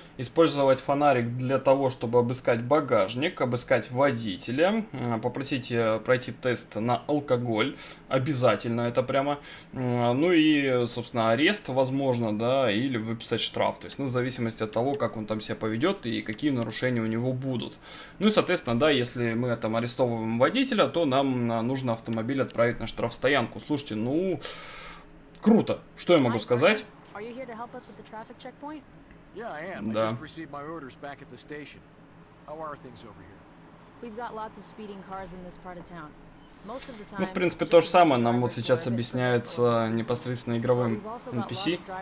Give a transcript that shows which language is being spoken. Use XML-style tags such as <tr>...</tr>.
<ru>Использовать фонарик для того, чтобы обыскать багажник, обыскать водителя, попросить пройти тест на алкоголь, обязательно это прямо, ну и, собственно, арест, возможно, да, или выписать штраф, то есть, ну, в зависимости от того, как он там себя поведет и какие нарушения у него будут. Ну и, соответственно, да, если мы там арестовываем водителя, то нам нужно автомобиль отправить на штрафстоянку. Слушайте, ну, круто, что я могу сказать?</ru> <en>Yeah, I am. Да. I just received my orders back at the station. How are things over here? We've got lots of speeding cars in this part of town. Most of the time.</en> <ru>Ну, в принципе, то же самое нам вот сейчас объясняется непосредственно игровым NPC.</ru>